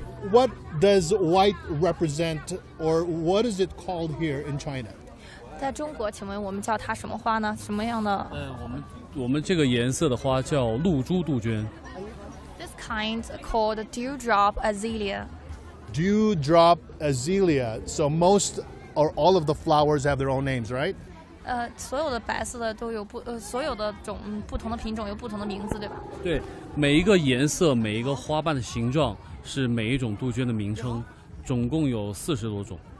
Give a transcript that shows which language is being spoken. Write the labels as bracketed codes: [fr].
[en] What does white represent, or what is it called here in China? [zh] 在中国，请问我们叫它什么花呢？什么样的？我们这个颜色的花叫露珠杜鹃。 [en] This kind called dewdrop azalea. Dewdrop azalea. So most or all of the flowers have their own names, right? [zh] 所有的白色的都有不所有的种不同的品种有不同的名字，对吧？对，每一个颜色，每一个花瓣的形状是每一种杜鹃的名称，总共有40多种。